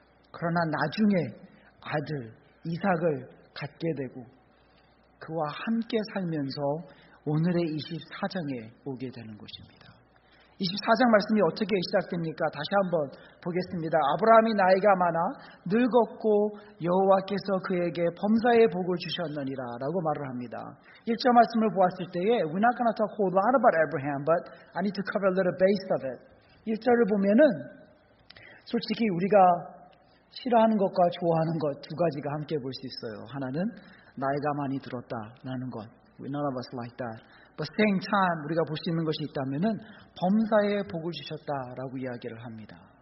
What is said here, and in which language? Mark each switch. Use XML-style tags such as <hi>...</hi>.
<ko>그러나 나중에 아들 이삭을 갖게 되고 그와 함께 살면서 오늘의 24장에 오게 되는 것입니다. 24장 말씀이 어떻게 시작됩니까? 다시 한번 보겠습니다. 아브라함이 나이가 많아 늙었고 여호와께서 그에게 범사의 복을 주셨느니라 라고 말을 합니다. 1절 말씀을 보았을 때에</ko> <en>We're not going to talk a whole lot about Abraham, but I need to cover a little base of it.</en> <ko>1절을 보면은 솔직히 우리가 싫어하는 것과 좋아하는 것 두 가지가 함께 볼 수 있어요. 하나는 나이가 많이 들었다라는 것.</ko> <en>We're none of us like that. But same time,</en> <ko>우리가 볼 수 있는 것이 있다면은 범사에 복을 주셨다라고 이야기를 합니다.</ko>